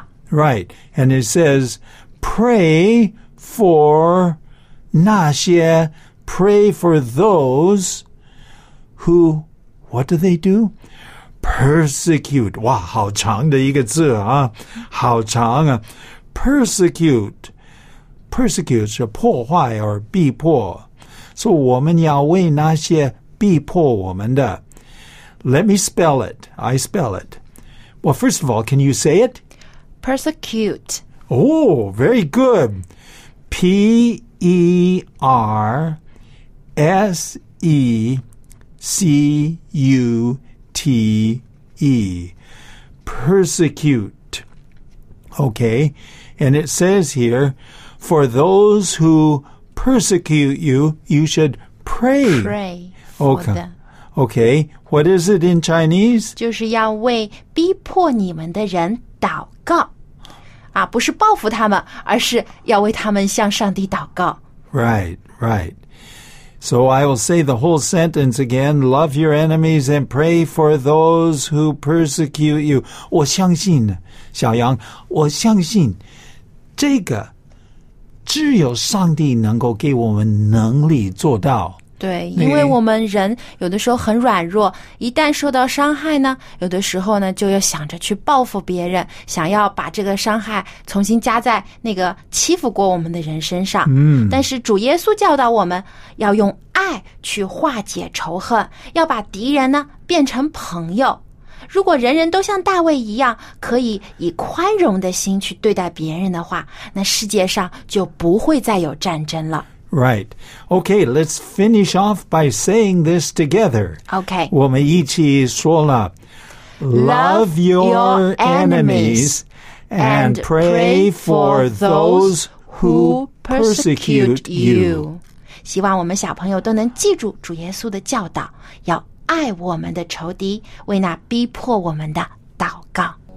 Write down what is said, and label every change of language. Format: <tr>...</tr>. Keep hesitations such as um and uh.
<en>Right, and he says, pray for 那些 pray for those who, what do they do?</en> <zh>persecute 哇，好长的一个字啊，好长啊，persecute persecute 是破坏而逼迫，所以我们要为那些逼迫我们的。</zh> <en>Let me spell it. I spell it. Well, first of all, can you say it? Persecute. Oh, very good. P E R S E C U -T -E. T E. Persecute. Okay, and it says here, for those who persecute you, you should pray. pray okay. Okay, what is it in Chinese?</en> <zh>就是要为逼迫你们的人祷告。啊,不是报复他们,而是要为他们向上帝祷告。</zh> <en>Right, uh right. right. So I will say the whole sentence again love your enemies and pray for those who persecute you.</en> <zh>我相信,小杨,我相信这个只有上帝能够给我们能力做到。对，因为我们人有的时候很软弱，一旦受到伤害呢，有的时候呢，就要想着去报复别人，想要把这个伤害重新加在那个欺负过我们的人身上。嗯，但是主耶稣教导我们要用爱去化解仇恨，要把敌人呢变成朋友。如果人人都像大卫一样，可以以宽容的心去对待别人的话，那世界上就不会再有战争了。</zh> <en>Right. Okay, let's finish off by saying this together. Okay.</en> <zh>我们一起说了,</zh> <en>Love your, enemies, and pray, for those who persecute you.</en> <zh>希望我们小朋友都能记住主耶稣的教导，要爱我们的仇敌，为那逼迫我们的祷告。</zh>